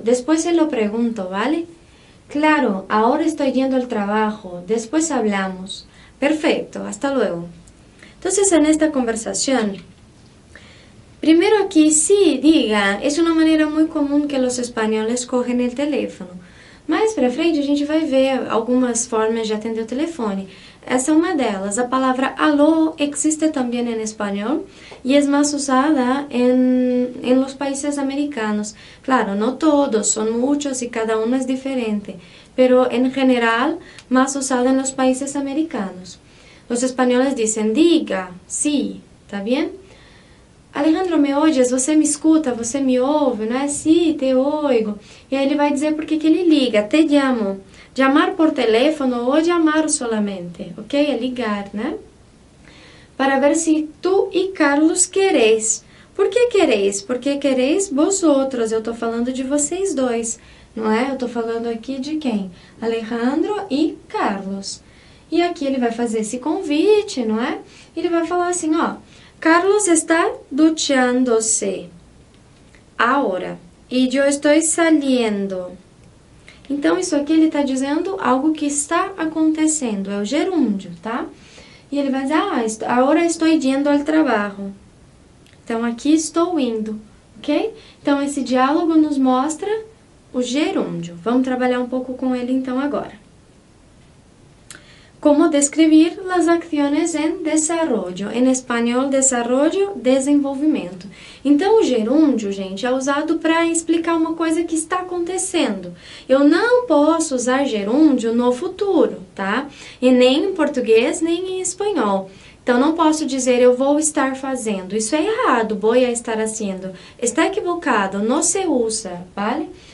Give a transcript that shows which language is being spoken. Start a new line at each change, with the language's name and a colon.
Spanish: Después se lo pregunto, ¿vale? Claro, ahora estoy yendo al trabajo, después hablamos. Perfecto, hasta luego. Entonces, en esta conversación, primero aquí sí, diga, es una manera muy común que los españoles cogen el teléfono.
Portuguese: Mais para frente, a gente vai ver algumas formas de atender o telefone. Essa é uma delas. A palavra alô existe também em espanhol e é mais usada em
Spanish: los países americanos.
Portuguese: Claro, não todos, são muitos e cada um é diferente. Pero em general, mais usada em
Spanish: los países americanos.
Portuguese: Os espanhóis dizem diga, sim, sí, tá bem? Alejandro,
Spanish: me oyes?
Portuguese: Você me escuta? Você me ouve? Não é assim?
Spanish: Te oigo.
Portuguese: E aí ele vai dizer por que ele liga.
Spanish: Te llamo. Llamar por teléfono ou llamar solamente.
Portuguese: Ok? É ligar, né? Para ver se tu e Carlos queres. Por que queres?
Spanish: Porque queres vosotros.
Portuguese: Eu estou falando de vocês dois. Não é? Eu estou falando aqui de quem? Alejandro e Carlos. E aqui ele vai fazer esse convite, não é? Ele vai falar assim, ó. Carlos está duchando-se agora e eu estou saliendo. Então, isso aqui ele está dizendo algo que está acontecendo, é o gerúndio, tá? E ele vai dizer, ah, agora estou indo ao trabalho. Então, aqui estou indo, ok? Então, esse diálogo nos mostra o gerúndio. Vamos trabalhar um pouco com ele, então, agora.
Spanish: Cómo describir las acciones en desarrollo. En español, desarrollo, desenvolvimiento.
Portuguese: Então, o gerúndio, gente, é usado para explicar uma coisa que está acontecendo. Eu não posso usar gerúndio no futuro, tá? E nem em português, nem em espanhol. Então, não posso dizer eu vou estar fazendo. Isso é errado,
Spanish: voy a estar haciendo. Está equivocado, no se usa, vale?